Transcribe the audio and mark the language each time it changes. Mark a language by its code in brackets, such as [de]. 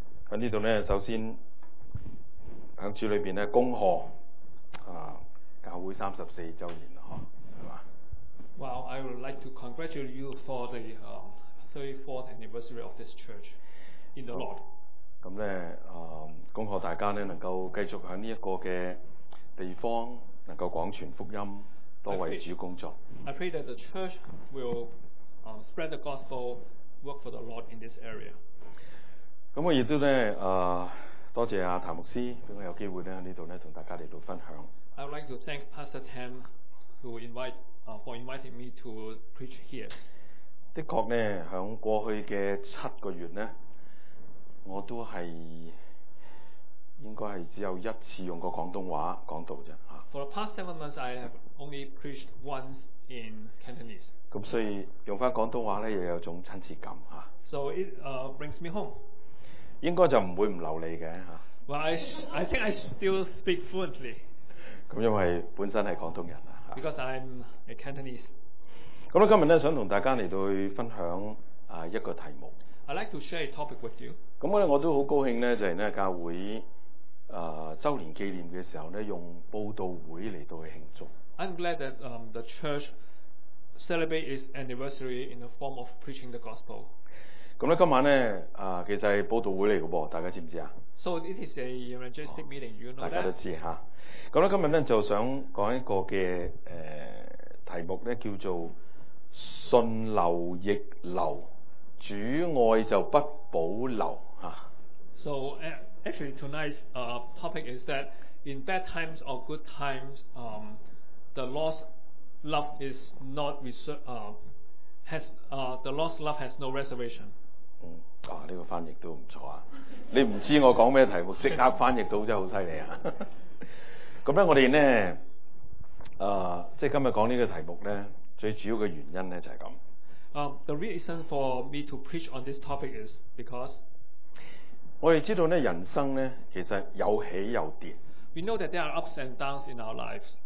[yue] 喺呢度咧，首先喺主里边咧，恭贺啊教会34周年啦，嗬，系嘛 [en] ？Well, I would like to congratulate you for the 34th anniversary of this church in the Lord. [yue] 咁咧，恭贺大家咧，能够继续喺呢一个嘅地方，能够广传福音，多为主工作。 [en] I pray that the church will spread the gospel, work for the Lord in this area. [yue] 咁我亦都咧，多谢阿谭牧师，俾我有机会咧喺呢度咧同大家嚟到分享。 [en] I would like to thank Pastor Tam for inviting me to preach here. [yue] 的確咧，喺過去嘅7個月咧，我都係應該係只有一次用過廣東話講道啫。 [en] For the past 7 months, I have only preached once in Cantonese. [yue] 咁所以用翻廣東話咧，又有種親切感嚇。 [en] So it brings me home. [yue] 應該就唔會唔流利嘅嚇。 [en] Well, I think I still speak fluently. [yue] 咁因為本身係廣東人啊。 [en] Because I'm a Cantonese. [yue] 咁今日咧想同大家嚟到去分享一個題目。 [en] I'd like to share a topic with you。 [yue] 咁咧我都好高興咧，就係咧教會週年紀念嘅時候咧，用報道會嚟到去慶祝。 [en] I'm glad that the church celebrate its anniversary in the form of preaching the gospel。 [yue] 咁咧今晚咧其實係報道會嚟嘅噃，大家知唔知啊 [en] ？So it is a evangelistic meeting. You know that。 [yue] 大家都知嚇。咁咧今日咧就想講一個嘅題目咧叫做。信流亦流，主爱就不保留。 [en] So actually tonight's topic is that in bad times or good times, the lost love is not the lost love has no reservation. [yue] 嗯，啊呢、这个翻译都唔错啊！你唔知道我讲咩题目，即刻翻译到真系好犀利啊！咁咧，我哋咧，即系今日讲呢个题目咧。最主要的原因就是這樣。 [en] The reason for me to preach on this topic is because [yue] 我們知道呢人生呢其實有起有跌。 [en] We know that there are ups and downs in our lives.